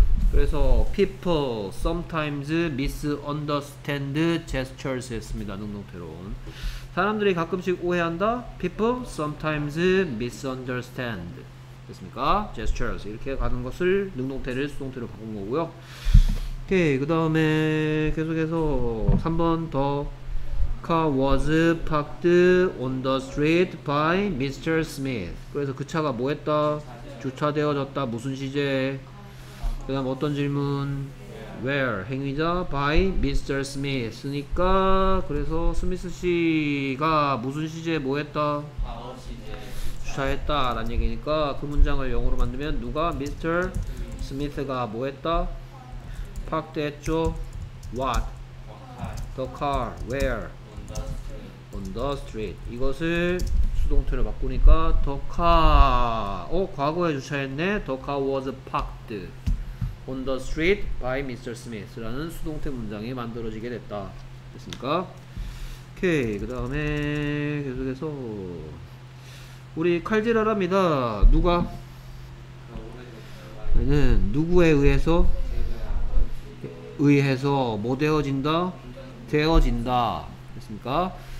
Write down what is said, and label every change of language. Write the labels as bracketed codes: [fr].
[ko] 그래서 [en] people sometimes misunderstand gestures [ko] 했습니다. 능동태로. 사람들이 가끔씩 오해한다. [en] people sometimes misunderstand. [ko] 됐습니까? gestures 이렇게 가는 것을 능동태를 수동태로 바꾼 거고요. 오케이. 그다음에 계속해서 3번 더. [en] Car was parked on the street by Mr. [ko] Smith. 그래서 그 차가 뭐 했다? 주차되어졌다. 무슨 시제? 그다음 어떤 질문? Where? 행위자? By Mr. Smith니까. 그래서 스미스 씨가 무슨 시제에 뭐 했다? 주차했다라는 얘기니까 그 문장을 영어로 만들면 누가? [en] Mr. Smith가 [ko] 뭐 했다? [en] Parked [ko] 했죠? [en] What? The car. Where? On the street. [ko] 이것을 수동태로 바꾸니까 [en] the car. [ko] 과거에 주차했네. [en] The car was parked on the street by Mr. [ko] Smith라는 수동태 문장이 만들어지게 됐다. 됐습니까? 오케이. 그 다음에 계속해서 우리 칼질하랍니다. 누가? 얘는 누구에 의해서? 의해서 뭐 되어진다? 되어진다. 됐습니까?